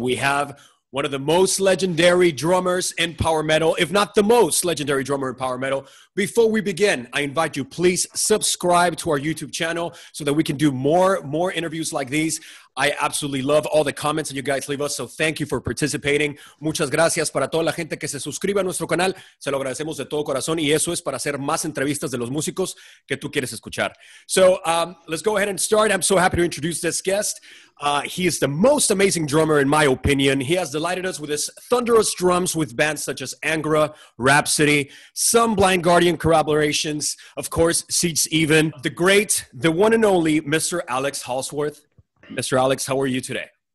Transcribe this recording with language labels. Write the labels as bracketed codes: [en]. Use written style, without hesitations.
[en] We have one of the most legendary drummers in power metal, if not the most legendary drummer in power metal. Before we begin, I invite you, please subscribe to our YouTube channel so that we can do more interviews like these. I absolutely love all the comments that you guys leave us, so thank you for participating. [es] Muchas gracias para toda la gente que se suscribe a nuestro canal. Se lo agradecemos de todo corazón, y eso es para hacer más entrevistas de los músicos que tú quieres escuchar. [en] So let's go ahead and start. I'm so happy to introduce this guest. He is the most amazing drummer, in my opinion. He has delighted us with his thunderous drums with bands such as Angra, Rhapsody, some Blind Guardian collaborations, of course, Seats Even, the great, the one and only Mr. Alex Holzwarth. Mr. Alex, how are you today?